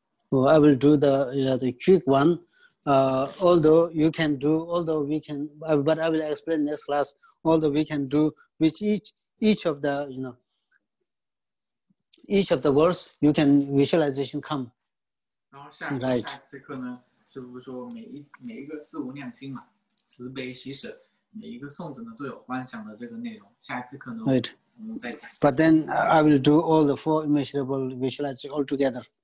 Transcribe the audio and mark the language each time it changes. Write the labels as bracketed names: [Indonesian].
[English] Well, I will do the quick one. But I will explain next class. Although we can do with each of the each of the words, you can visualization come. Right. [Chinese] 然后下这课呢，是不是说每一个四无量心嘛，慈悲喜舍，每一个颂子呢都有观想的这个内容。下一次课呢，right. 我们再讲。 [English] But then I will do all the four immeasurable visualization all together.